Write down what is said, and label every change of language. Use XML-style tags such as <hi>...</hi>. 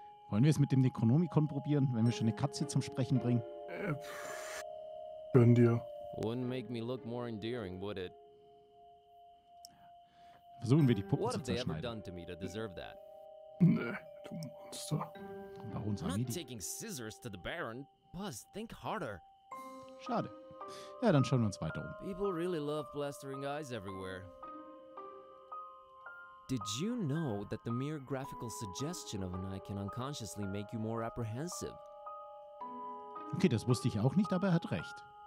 <de>Wollen wir es mit dem Necronomicon probieren, wenn wir schon eine Katze zum Sprechen bringen? Gönn dir.</de> <en>Wouldn't make me look more endearing, would it?</en> <de>Versuchen wir, die Puppen</de> <en>what</en> <de>zu zerschneiden.</de> <en>What have they ever done to me to deserve that?</en> <de>Nee, du Monster. Warum</de> <en>I'm not taking scissors to the Baron. Buzz, think harder.</en> <de>Schade. Ja, dann schauen wir uns weiter um.</de> <en>People really love plastering eyes everywhere. Did you know that the mere graphical suggestion of an eye can unconsciously make you more apprehensive?</en> <de>Okay, das wusste ich auch nicht, aber er hat recht.</de>